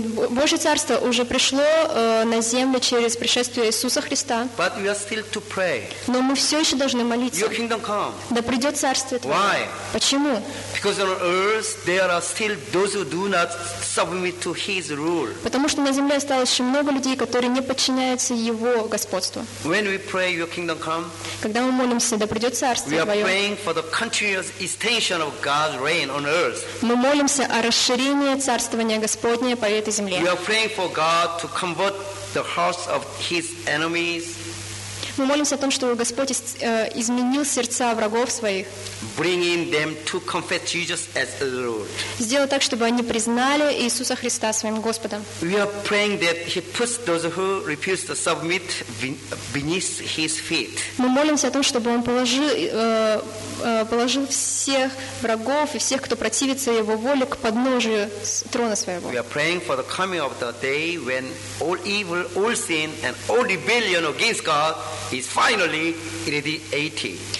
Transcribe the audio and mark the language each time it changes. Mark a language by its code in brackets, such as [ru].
[ru] Божье Царство уже пришло на землю через пришествие Иисуса Христа. [en] But we are still to pray. [ru] Но мы все еще должны молиться. [en] Your kingdom come. [ru] Да придет Царствие Твое. [en] Why? [ru] Почему? [en] Because on earth there are still those who do not submit to His rule. [ru] Потому что на земле осталось очень много людей, которые не подчиняются Его господству. [en] When we pray, Your kingdom come. [ru] Когда мы молимся, да придет Царствие Твое. [en] We are praying for the continuous extension of God's reign on earth. [ru] Мы молимся о расширении царствования Господня по этой земле. [en] We are praying for God to convert the hearts of His enemies. [ru] Мы молимся о том, чтобы Господь изменил сердца врагов своих. [en] Bringing them to confess Jesus as Lord. [ru] Сделать так, чтобы они признали Иисуса Христа своим Господом. [en] We are praying that He puts those who refuse to submit beneath His feet. [ru] Мы молимся о том, чтобы Он положил всех врагов и всех, кто противится Его воле, к подножию трона Своего. [en] We are praying for the coming of the day when all evil, all sin, and all rebellion against God is finally eradicated.